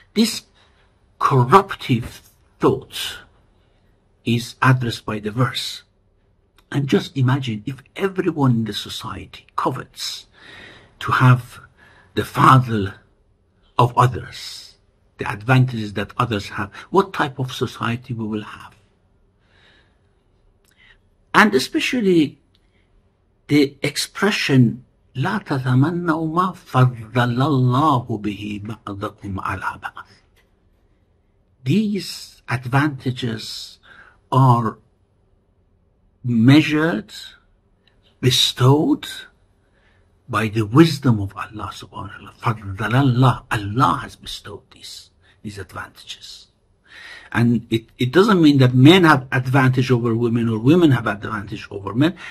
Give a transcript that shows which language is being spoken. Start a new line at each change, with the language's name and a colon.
English: This corruptive thought is addressed by the verse. And just imagine if everyone in the society covets to have the fadl of others, the advantages that others have, what type of society we will have. And especially the expression,
Arabic: لا تتمنوا ما فضل الله به بعضكم على بعض.
English: These advantages are measured, bestowed by the wisdom of Allah subhanahu wa ta'ala.
Arabic: فضل الله.
English: Allah has bestowed these advantages. And it doesn't mean that men have advantage over women or women have advantage over men.